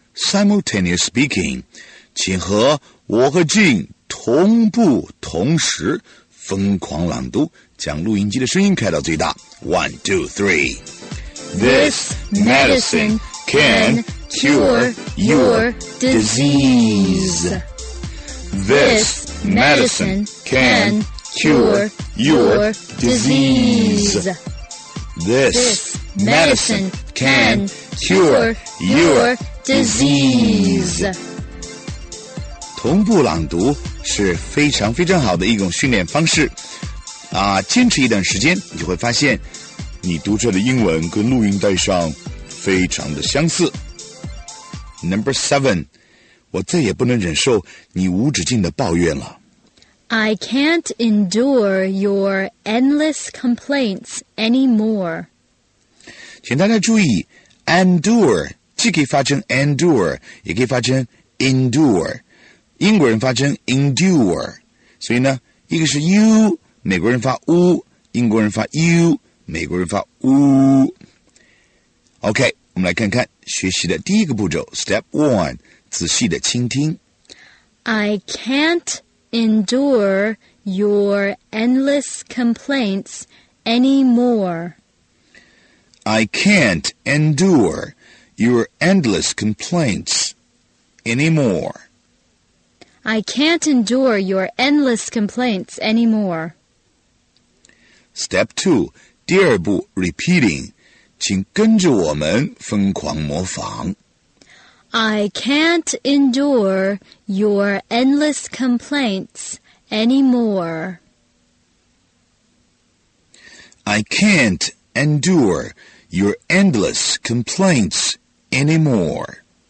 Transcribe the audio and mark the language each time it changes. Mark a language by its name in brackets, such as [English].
[English] Simultaneous speaking, [Chinese] 请和我和 Jean 同步同时疯狂朗读，将录音机的声音开到最大。 [English] One, two, three. This medicine can cure your disease. This medicine can cure your disease. This medicine can cure your disease. [Chinese] 同步朗读是非常非常好的一种训练方式啊！坚持一段时间，你会发现你读出来的英文跟录音带上非常的相似。 [English] Number 7, [Chinese] 我再也不能忍受你无止境的抱怨了。 [English] I can't endure your endless complaints anymore. [Chinese] 请大家注意 endure既可以发成 endure, 也可以发成 endure, 英国人发成 endure, 所以呢一个是 u, 美国人发 u, 英国人发 u, 美国人发 u。 OK, 我们来看看学习的第一个步骤 , [English] step one, [Chinese] 仔细的倾听。 [English] I can't endure your endless complaints anymore. I can't endureYour endless complaints anymore. I can't endure your endless complaints anymore. Step 2, [Chinese] 第二步 repeating, 请跟着我们疯狂模仿。 [English] I can't endure your endless complaints anymore. I can't endure your endless complaints anymore.